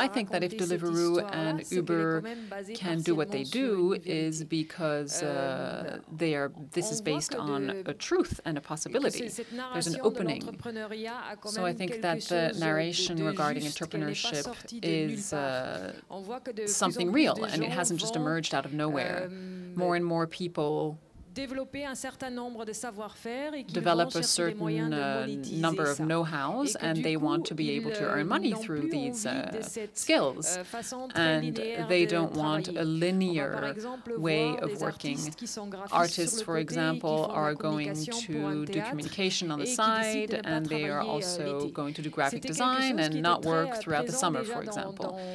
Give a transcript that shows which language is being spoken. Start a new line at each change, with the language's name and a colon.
English: I think that if Deliveroo and Uber can do what they do, is because they are. This is based on a truth and a possibility. There's an opening. So I think that the narration regarding entrepreneurship is something real, and it hasn't just emerged out of nowhere. More and more people.
French: Développer un certain nombre de savoir-faire et
English: develop a certain number of know-hows, and they want to be able to earn money through these skills. And they don't want a linear way of working. Artists, for example, are going to do communication on the side, and they are also going to do graphic design and not work throughout the summer, for example.